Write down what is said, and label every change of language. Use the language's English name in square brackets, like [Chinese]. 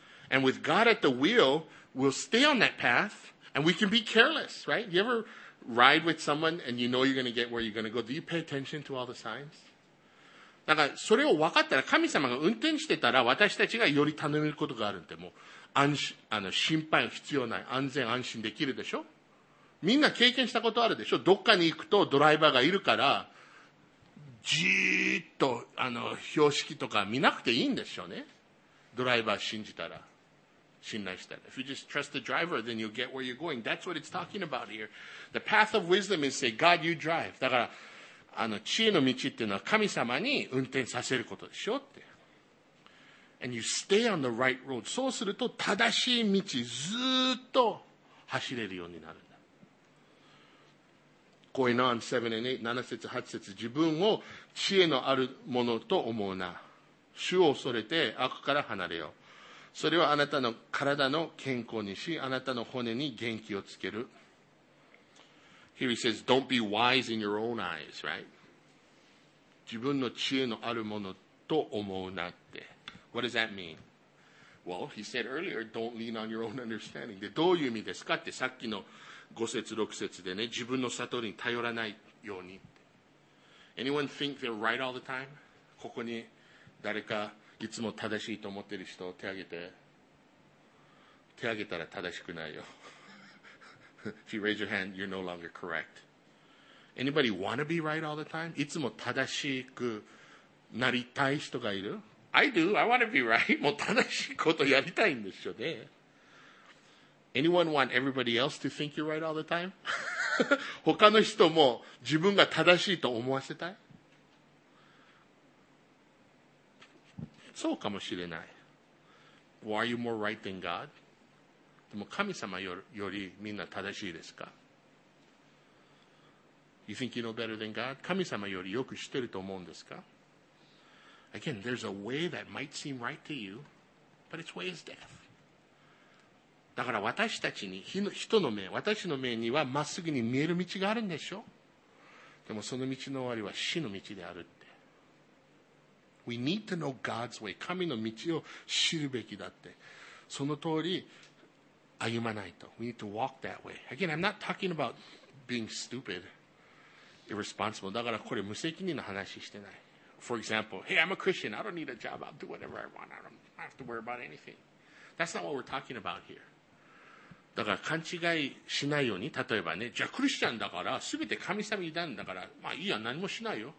[English] And with God at the wheel, we'll stay on that path and we can be careless, right? You ever ride with someone and you know you're going to get where you're going to go? Do you pay attention to all the signs? [Japanese] だから、それを分かったら、神様が運転してたら、私たちがより頼めることがあるんで、もう安心、あの心配は必要ない。安全安心できるでしょ？みんな経験したことあるでしょ？どっかに行くとドライバーがいるから、じーっと、あの、標識とか見なくていいんでしょうね。ドライバー信じたら、信頼したら。 [English] If you just trust the driver, then you'll get where you're going. That's what it's talking about here. The path of wisdom is say, God, you drive. [Japanese] だから、あの知恵の道っていうのは神様に運転させることでしょって。 [English] And you stay on the right road. [Japanese] そうすると正しい道ずっと走れるようになるんだ。 [English] Going on 7 and 8, [Japanese] 7節8節、自分を知恵のあるものと思うな。主を恐れて悪から離れよ。それはあなたの体の健康にし、あなたの骨に元気をつける。 [English] Here he says, don't be wise in your own eyes, right? [Japanese] 自分の知恵のあるものと思うなって。 [English] What does that mean? Well, he said earlier, don't lean on your own understanding. [Japanese] で、どういう意味ですかって、さっきの五節、六節でね、自分の悟りに頼らないようにって。 [English] Anyone think they're right all the time? [Japanese] ここに誰かいつも正しいと思ってる人、手挙げて。手挙げたら正しくないよ。 [English] If you raise your hand, you're no longer correct. Anybody want to be right all the time? [Japanese] いつも正しくなりたい人がいる? [English] I do. I want to be right. [Japanese] もう正しいことやりたいんでしょうね。 [English] Anyone want everybody else to think you're right all the time? [Japanese] 他の人も自分が正しいと思わせたい? そうかもしれない。 [English] Why are you more right than God? [Japanese] でも神様よりみんな正しいですか? [English] You think you know better than God? [Japanese] 神様よりよく知ってると思うんですか? [English] Again, there's a way that might seem right to you, but its way is death. [Japanese] だから私たちに、人の目、私の目にはまっすぐに見える道があるんでしょ? でもその道の終わりは死の道であるって。 [English] We need to know God's way. [Japanese] 神の道を知るべきだって。その通り、歩まないと。 [English] We need to walk that way. Again, I'm not talking about being stupid, irresponsible. [Japanese] だからこれ無責任の話してない。 [English] For example, hey, I'm a Christian. I don't need a job. I'll do whatever I want. I don't have to worry about anything. That's not what we're talking about here. [Japanese] だから勘違いしないように、例えばね、じゃあクリスチャンだから、すべて神様にいたんだから、まあいいや、何もしないよ。